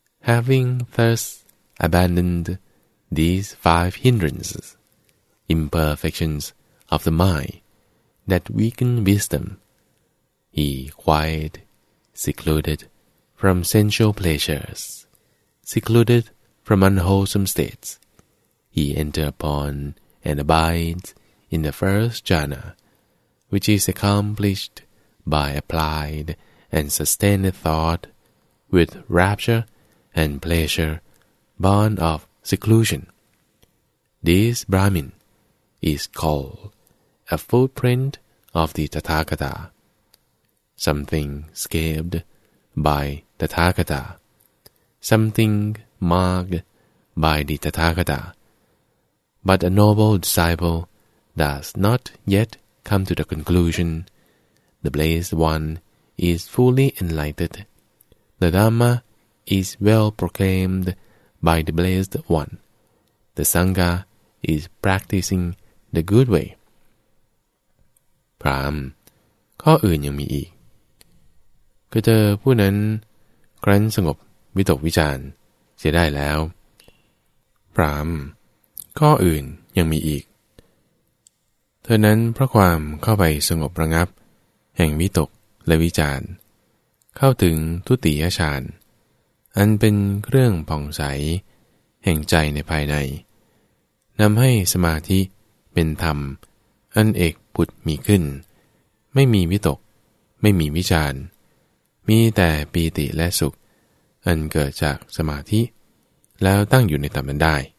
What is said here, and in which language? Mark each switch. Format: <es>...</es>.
<en>Having thus abandoned these five hindrances, imperfections of the mind that weaken wisdom, he quiet, secluded from sensual pleasures, secluded from unwholesome states, he enter upon and abides in the first jhana, which is accomplished. By applied and sustained thought, with rapture and pleasure, born of seclusion. This Brahmin is called a footprint of the Tathagata, something scabbed by Tathagata, something marked by the Tathagata. But a noble disciple does not yet come to the conclusion, the Blessed One is fully enlightened, the Dhamma is well proclaimed by the Blessed One, the Sangha is practicing the good way.</en> <th>พราหมณ์ข้ออื่นยังมีอีกคือเธอผู้นั้นครั้นสงบวิตกวิจารเสียได้แล้วพราหมณ์ข้ออื่นยังมีอีก เธอนั้นเพราะความเข้าไปสงบระงับแห่งวิตกและวิจารเข้าถึงทุติยฌานอันเป็นเครื่องผ่องใสแห่งใจในภายในนำให้สมาธิเป็นธรรมอันเอกผุดมีขึ้นไม่มีวิตกไม่มีวิจารมีแต่ปีติและสุขอันเกิดจากสมาธิแล้วตั้งอยู่ในธรรมนั้นได้</th>